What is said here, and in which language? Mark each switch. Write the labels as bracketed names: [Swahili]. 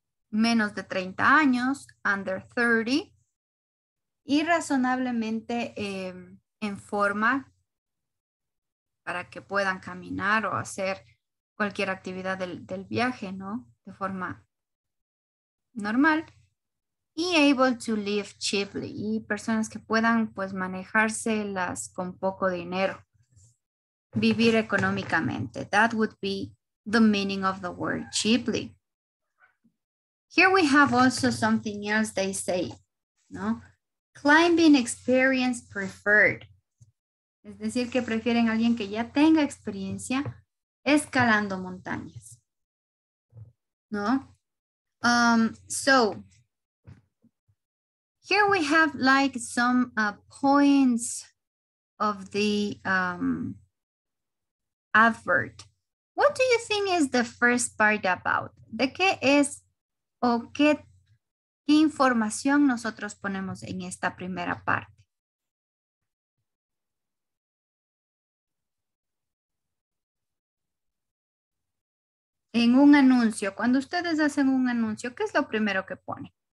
[Spanish] Menos de 30 años, [English] under 30, [Spanish] y razonablemente en forma para que puedan caminar o hacer cualquier actividad del viaje, ¿no? De forma normal. Y [English] able to live cheaply, [Spanish] y personas que puedan pues manejárselas con poco dinero. Vivir económicamente. [English] That would be the meaning of the word cheaply. Here we have also something else they say, ¿no? Climbing experience preferred. [Spanish] Es decir, que prefieren a alguien que ya tenga experiencia escalando montañas, ¿no? [English] So, here we have like some points of the advert. What do you think is the first part about? [Spanish] ¿De qué es o qué información nosotros ponemos en esta primera parte? En un anuncio, cuando ustedes hacen un anuncio, ¿qué es lo primero que pone?